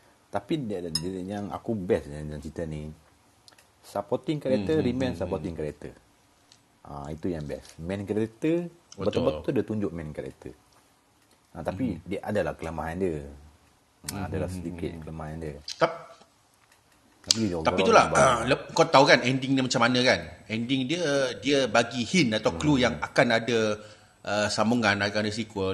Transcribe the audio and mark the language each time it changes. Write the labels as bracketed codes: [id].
[ms] Tapi dia yang aku best dengan cerita ni. [en] Supporting character remain supporting character. [ms] Itu yang best. Main karakter, betul-betul dia tunjuk main karakter. Tapi dia adalah kelemahan dia. Adalah sedikit kelemahan dia. Tapi itulah, kau tahu kan ending dia macam mana kan? Ending dia bagi hint atau clue yang akan ada sambungan, akan ada sequel.